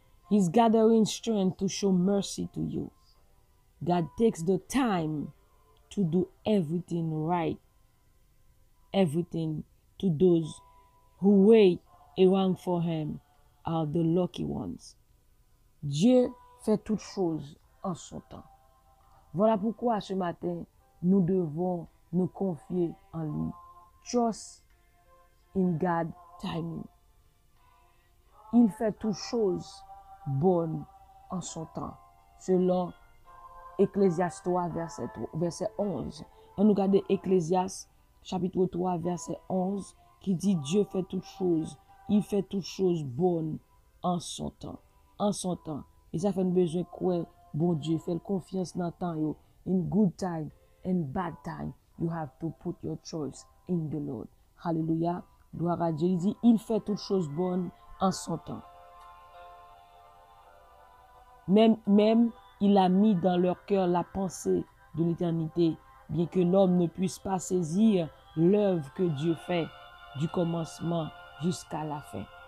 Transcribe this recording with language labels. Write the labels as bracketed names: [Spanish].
[English] He's gathering strength to show mercy to you. God takes the time to do everything right, everything to those who wait around for him are the lucky ones. [French] Dieu fait toutes choses en son temps. Voilà pourquoi ce matin, nous devons nous confier en lui. [English] Trust in God's timing. [French] Il fait toutes choses bonnes en son temps, selon Ecclésiaste 3, verset 3, verset 11. On nous regarde Ecclésiaste, chapitre 3, verset 11, qui dit « Dieu fait toutes choses, il fait toutes choses bonnes en son temps. » En son temps. Et ça fait besoin de croire, bon Dieu, faire confiance dans le temps. [English] In good time, in bad time, you have to put your choice in the Lord. Hallelujah. [French] Gloire à Dieu. Il dit « Il fait toutes choses bonnes en son temps. » Même il a mis dans leur cœur la pensée de l'éternité, bien que l'homme ne puisse pas saisir l'œuvre que Dieu fait du commencement jusqu'à la fin.